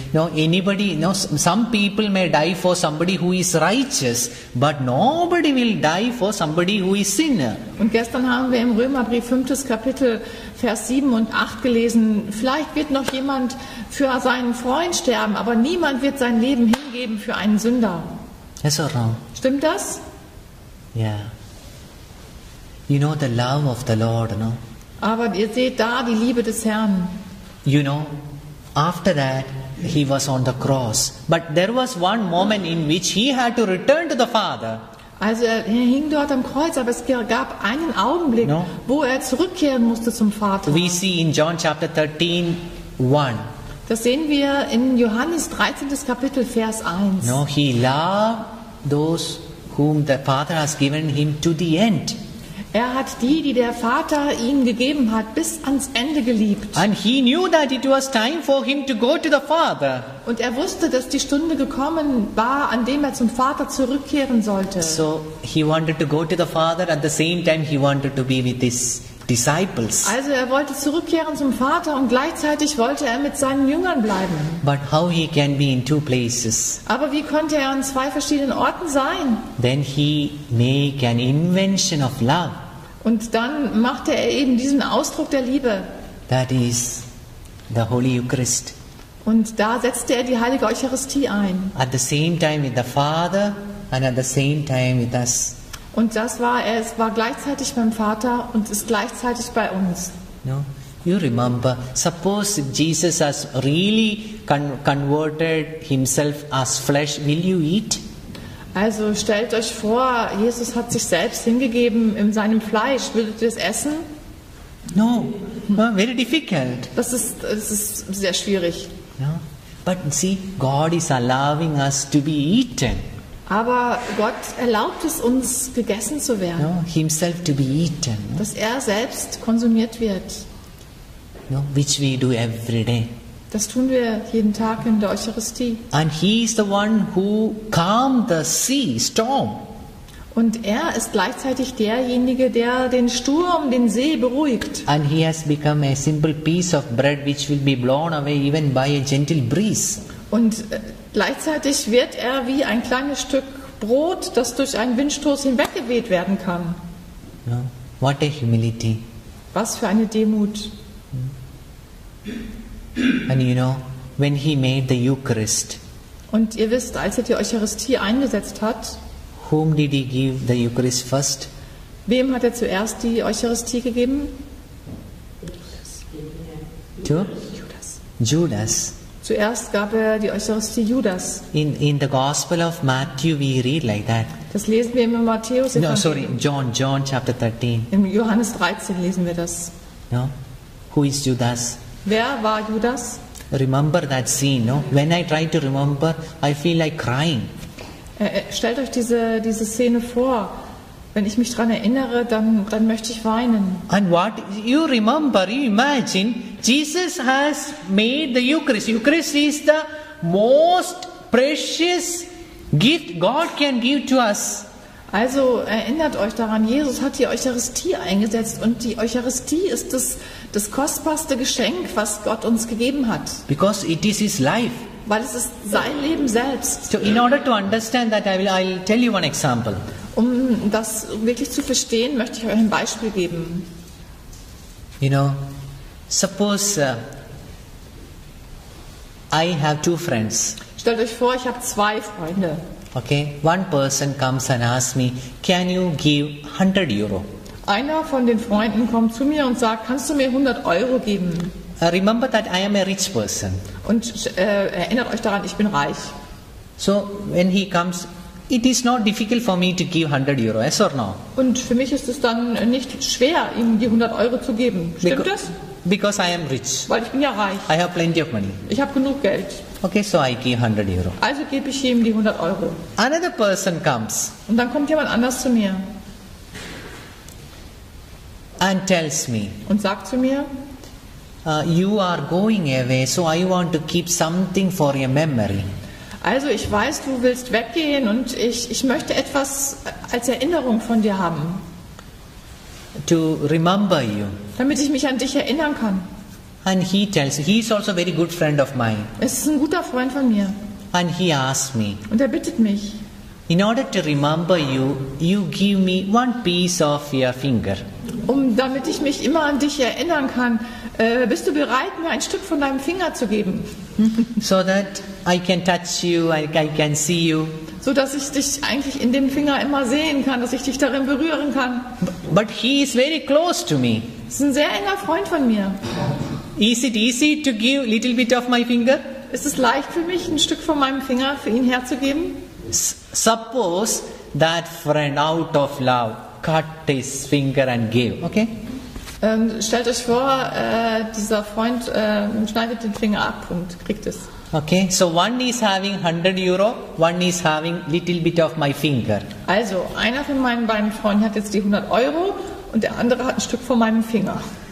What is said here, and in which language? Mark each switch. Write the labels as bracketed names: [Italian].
[English] No, anybody, no, some people may die for somebody who is righteous, but nobody will die for somebody who is sinner. [German] Und gestern haben wir im Römerbrief 5. Kapitel Vers 7 und 8 gelesen. Vielleicht wird noch jemand für seinen Freund sterben, aber niemand wird sein Leben hingeben für einen Sünder. [English] Yes or wrong? [German] Stimmt das? [English] Yeah. You know the love of the Lord, no? [German] Aber ihr seht da die Liebe des Herrn. [English] You know, after that he was on the cross. But there was one moment in which he had to return to the Father. [German] Also er hing dort am Kreuz, aber es gab einen Augenblick, no? Wo er zurückkehren musste zum Vater. [English] We see in John chapter 13, 1. [German] Das sehen wir in Johannes 13. Kapitel Vers 1. [English] No, he loved those whom the Father has given him to the end. [German] Er hat die der Vater ihm gegeben hat, bis ans Ende geliebt. [English] And he knew that it was time for him to go to the Father. [German] Und er wusste, dass die Stunde gekommen war, an dem er zum Vater zurückkehren sollte. [English] So he wanted to go to the Father, at the same time he wanted to be with his disciples. [German] Also er wollte zurückkehren zum Vater und gleichzeitig wollte er mit seinen Jüngern bleiben. [English] But how he can be in two places? [German] Aber wie konnte er an zwei verschiedenen Orten sein? [English] Then he make an invention of love. [German] Und dann machte er eben diesen Ausdruck der Liebe. [English] That is the Holy Eucharist. [German] Und da setzte er die heilige Eucharistie ein. [English] At the same time with the Father and at the same time with us. [German] Und das war, es war gleichzeitig beim Vater und ist gleichzeitig bei uns. [English] No, you remember, suppose Jesus has really converted himself as flesh, will you eat? [German] Also stellt euch vor, Jesus hat sich selbst hingegeben in seinem Fleisch, würdet ihr es essen? [English] No, very difficult. [German] Das ist sehr schwierig. [English] No. But see, God is allowing us to be eaten. [German] Aber Gott erlaubt es uns, gegessen zu werden. [English] No, himself to be eaten, no? [German] Dass er selbst konsumiert wird. [English] No, which we do every day. [German] Das tun wir jeden Tag in der Eucharistie. [English] And he is the one who calmed the sea, storm. [German] Und er ist gleichzeitig derjenige, der den Sturm, den See beruhigt. [English] And he has become a simple piece of bread which will be blown away even by a gentle breeze. [German] Und gleichzeitig wird er wie ein kleines Stück Brot, das durch einen Windstoß hinweggeweht werden kann. [English] No. What a humility. [German] Was für eine Demut. [English] And you know, when he made the Eucharist. [German] Und ihr wisst, als er die Eucharistie eingesetzt hat, [English] whom did he give the Eucharist first? [German] Wem hat er zuerst die Eucharistie gegeben? [English] Judas. [German] Zuerst gab er die Eucharistie Judas. [English] In the Gospel of Matthew we read like that. [German] Das lesen wir im Matthäus. [English] No, sorry, John chapter 13. [German] Im Johannes 13 lesen wir das. [English] No? Who is Judas? [German] Wer war Judas? [English] Remember that scene, no? When I try to remember, I feel like crying. [German] Stellt euch diese Szene vor. Wenn ich mich daran erinnere, dann möchte ich weinen. [English] And what you remember, you imagine, Jesus has made the Eucharist. Eucharist is the most precious gift God can give to us. [German] Also erinnert euch daran, Jesus hat die Eucharistie eingesetzt und die Eucharistie ist das kostbarste Geschenk, was Gott uns gegeben hat. [English] Because it is his life. [German] Weil es ist sein Leben selbst. [English] So in order to understand that, I'll tell you one example. [German] Um das wirklich zu verstehen, möchte ich euch ein Beispiel geben. [English] You know, suppose I have two friends. [German] Stellt euch vor, ich habe zwei Freunde. [English] Okay, one person comes and asks me, can you give 100 euro? [German] Einer von den Freunden kommt zu mir und sagt, kannst du mir 100 euro geben? [English] Remember that I am a rich person. [German] Und erinnert euch daran, ich bin reich. [English] So when he comes, it is not difficult for me to give 100 euro, yes or no? [German] Und für mich ist es dann nicht schwer, ihm die 100 euro zu geben. Stimmt das? [English] Because I am rich. [German] Weil ich bin ja reich. [English] I have plenty of money. [German] Ich habe genug Geld. [English] Okay, so I give 100 euro. [German] Also gebe ich ihm die 100 euro. [English] Another person comes. [German] Und dann kommt jemand anders zu mir. [English] And tells me. [German] Und sagt zu mir. [English] You are going away, so I want to keep something for your memory. [German] Also ich weiß, du willst weggehen und ich möchte etwas als Erinnerung von dir haben. [English] To remember you. [German] Damit ich mich an dich erinnern kann. [English] And he tells, he is also a very good friend of mine. [German] Es ist ein guter Freund von mir. [English] And he asks me. [German] Und er bittet mich. [English] In order to remember you, you give me one piece of your finger. [German] Um damit ich mich immer an dich erinnern kann, bist du bereit, mir ein Stück von deinem Finger zu geben? [English] So that I can touch you, I can see you. [German] So dass ich dich eigentlich in dem Finger immer sehen kann, dass ich dich darin berühren kann. [English] But he is very close to me. [German] Ist ein sehr enger Freund von mir. [English] Is it easy to give a little bit of my finger? [German] Ist es leicht für mich, ein Stück von meinem Finger für ihn herzugeben? [English] Suppose that friend out of love cut his finger and gave. Okay? [German] Stellt euch vor, dieser Freund schneidet den Finger ab und kriegt es. [English] Okay, so one is having 100 euro, one is having little bit of my finger. [German] Also, einer von meinen beiden Freunden hat jetzt die 100 euro und der andere hat ein Stück von meinem Finger.